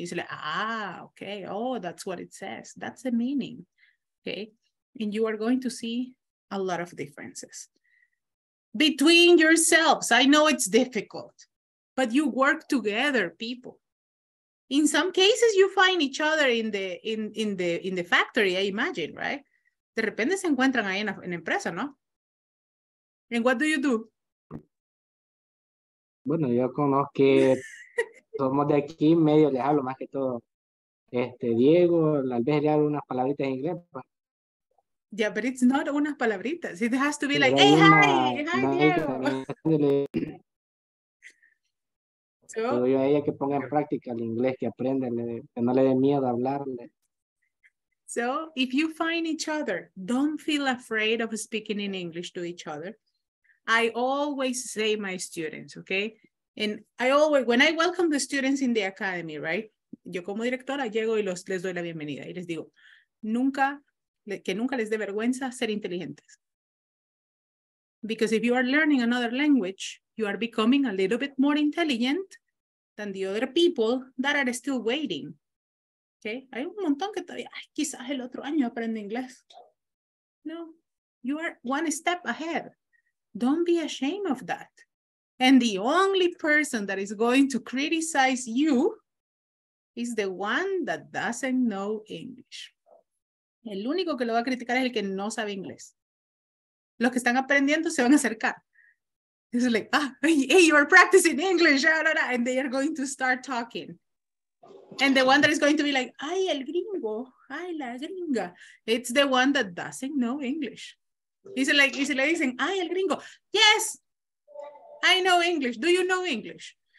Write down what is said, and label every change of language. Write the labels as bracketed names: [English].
[English] You say, ah, okay. Oh, that's what it says. That's the meaning. Okay. And you are going to see a lot of differences between yourselves. I know it's difficult, but you work together, people. In some cases, you find each other in the factory, I imagine, right? [Spanish] De repente se encuentran ahí en empresa, ¿no? [English] And what do? [Spanish] Bueno, yo conozco que somos de aquí, medio les hablo más que todo. Diego, tal vez le hablo unas palabritas en inglés. [English] Yeah, but it's not [Spanish] unas palabritas. [English] It has to be like, hey, hi, Diego. [Spanish] So, a ella que ponga en práctica el inglés, que aprenda, que no le dé miedo hablarle. [English] So, if you find each other, don't feel afraid of speaking in English to each other. I always say my students, okay? And I always, when I welcome the students in the academy, right? [Spanish] Yo como directora llego y les doy la bienvenida y les digo, nunca, que nunca les dé vergüenza ser inteligentes. [English] Because if you are learning another language, you are becoming a little bit more intelligent than the other people that are still waiting. Okay? [Spanish] Hay un montón que todavía, ay, quizás el otro año aprende inglés. [English] No, you are one step ahead. Don't be ashamed of that. And the only person that is going to criticize you is the one that doesn't know English. [Spanish] El único que lo va a criticar es el que no sabe inglés. Los que están aprendiendo se van a acercar. [English] It's like, ah, hey, you are practicing English. And they are going to start talking. And the one that is going to be like, [Spanish] ay, el gringo, ay, la gringa. [English] It's the one that doesn't know English. [Spanish] Y se le dicen, ay, el gringo. [English] Yes, I know English. Do you know English?